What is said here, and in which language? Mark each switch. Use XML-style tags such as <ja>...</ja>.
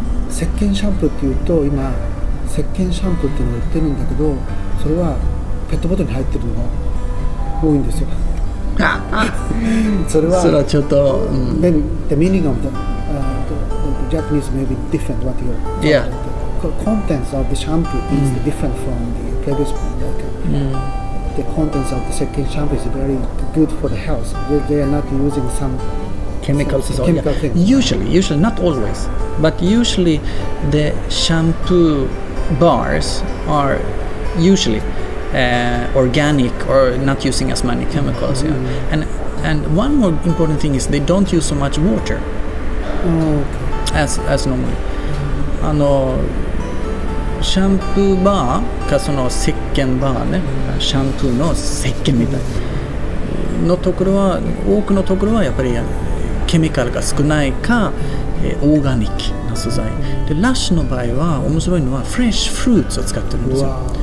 <ja>石鹸シャンプーっていうと、今、石鹸シャンプーっていうのを売ってるんだけど、それはペットボトルに入ってるのが多いんですよ。それはちょっと、</ja> <en>Maybe the meaning of the, the Japanese may be different what you're talking about. Yeah. Contents of the shampoo is different from the previous product. Like, the contents of the second shampoo is very good for the health. They are not using some chemicals. Some chemical things. Usually, not always, but usually the shampoo bars are usually organic or not using as many chemicals. Mm-hmm. Yeah. And one more important thing is they don't use so much water. Okay. As normally. Mm-hmm.</en> <ja>シャンプーバーかその石鹸バーね、シャンプーの石鹸みたいなのところは、多くのところはやっぱりケミカルが少ないか、オーガニックな素材で、ラッシュの場合は面白いのはフレッシュフルーツを使ってるんですよ。</ja>